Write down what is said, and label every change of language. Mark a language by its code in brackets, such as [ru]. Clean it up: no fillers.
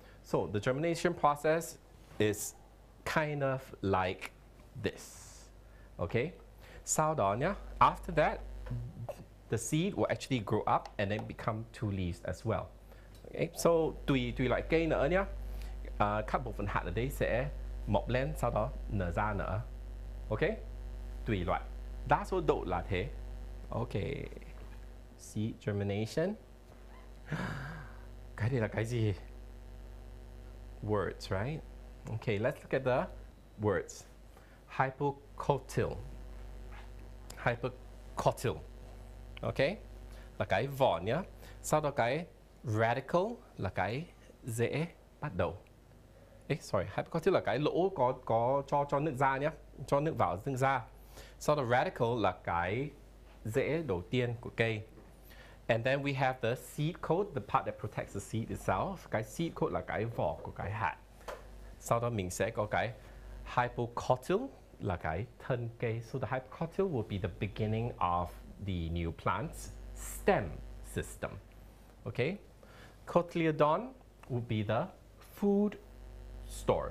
[en] So the germination process is kind of like this. Okay? [vi] Sau đó nhá, [en] after that, the seed will actually grow up and then become two leaves as well. [vi] Okay? So tùy loại cây nữa nhá. Các bộ phận hạt ở đây sẽ mọc lên, sau đó nở ra nữa. Ok? Tùy loại. Đa số độ là thế. Ok. [en] seed germination. [vi] Cái này là cái gì? [en] Words, right? Okay, let's look at the words. Hypocotyl. [vi] Hypocotyl. Okay? Là cái vỏ nhá. Sau đó cái radical là cái rễ bắt đầu. Hypocotyl là cái lỗ có cho nước ra nhá. Cho nước vào nước ra. Sau đó radical là cái rễ đầu tiên của cây. [en] And then we have the seed coat, the part that protects the seed itself. [vi] Cái seed coat là cái vỏ của cái hạt. Sau đó mình sẽ có cái hypocotyl là cái thân cây. [en] So the hypocotyl will be the beginning of the new plant's stem system. Okay? Cotyledon would be the food store.